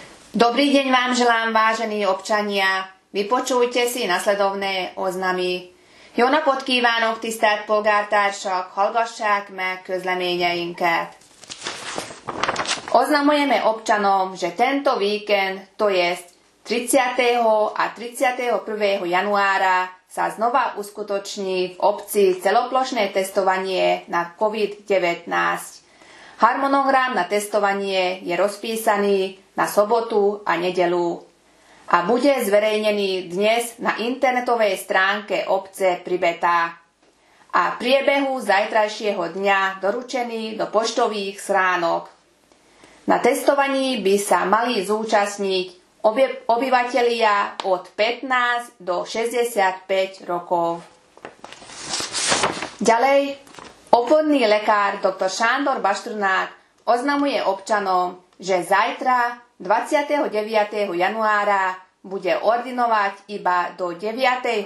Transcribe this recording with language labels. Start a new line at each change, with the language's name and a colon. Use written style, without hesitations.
Slovak: Dobrý deň vám želám, vážení občania. Vypočujte si nasledovné oznamy.
Hungarian: Jó napot kívánok, tisztelt polgártársak, hallgassák meg közleményeinket.
Slovak: Oznamujeme občanom, že tento víkend, to jest 30. a 31. januára, sa znova uskutoční v obci celoplošné testovanie na COVID-19. Harmonogram na testovanie je rozpísaný na sobotu a nedeľu a bude zverejnený dnes na internetovej stránke obce Pribeta a v priebehu zajtrajšieho dňa doručený do poštových schránok. Na testovaní by sa mali zúčastniť obyvatelia od 15 do 65 rokov. Ďalej, obvodný lekár dr. Sándor Baštrnák oznamuje občanom, že zajtra 29. januára bude ordinovať iba do 9.